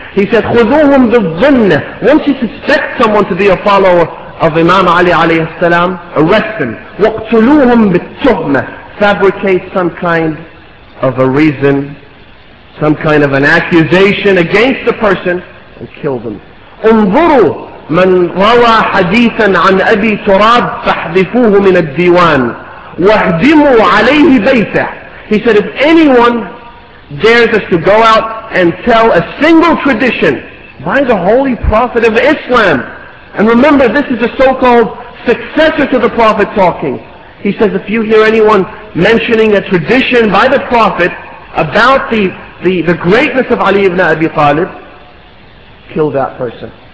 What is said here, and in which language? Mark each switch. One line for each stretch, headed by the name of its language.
English: He said,
Arabic: "Khuduhum bi-dhinnah."
English: Once you suspect someone to be a follower of Imam Ali alayhi salam, arrest him.
Arabic: وَقْتُلُوهُمْ بِالتُّهْمَةِ.
English: Fabricate some kind of a reason some kind of an accusation against the person and kill them.
Arabic: انظروا من روى حديثا عن أبي تراب فاحذفوه من الديوان واهدموا عليه بيته.
English: He said, if anyone dares us to go out and tell a single tradition by the holy prophet of Islam, and remember, this is a so-called successor to the prophet talking. He says, if you hear anyone mentioning a tradition by the prophet about the greatness of Ali ibn Abi Talib, kill that person.